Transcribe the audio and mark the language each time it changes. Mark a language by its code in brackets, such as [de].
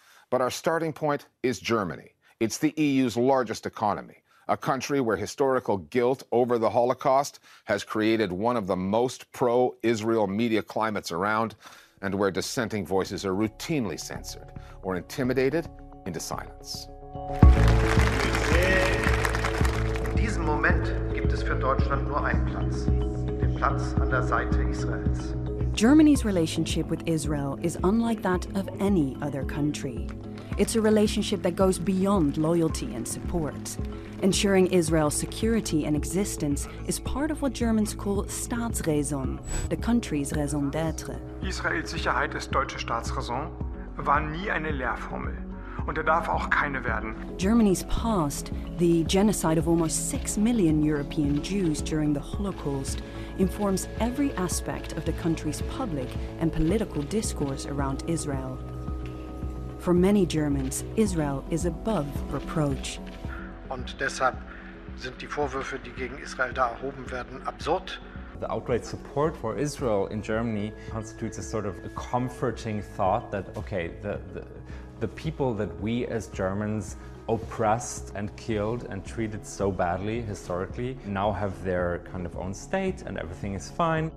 [en] But our starting point is Germany. It's the EU's largest economy, a country where historical guilt over the Holocaust has created one of the most pro-Israel media climates around, and where dissenting voices are routinely censored or intimidated into silence. [de] In diesem Moment gibt es für Deutschland nur einen Platz, den Platz an der Seite Israels. [en] Germany's relationship with Israel is unlike that of any other country. It's a relationship that goes beyond loyalty and support. Ensuring Israel's security and existence is part of what Germans call Staatsraison, the country's raison d'être. [de] Israel's Sicherheit ist deutsche Staatsraison, war nie eine Lehrformel und darf auch keine werden. [en] Germany's past, the genocide of almost 6 million European Jews during the Holocaust, informs every aspect of the country's public and political discourse around Israel. For many Germans, Israel is above reproach. [de] Und deshalb sind die Vorwürfe, die gegen Israel da erhoben werden, absurd. [en] The outright support for Israel in Germany constitutes a sort of a comforting thought that, okay, the people that we as Germans oppressed and killed and treated so badly historically now have their kind of own state and everything is fine.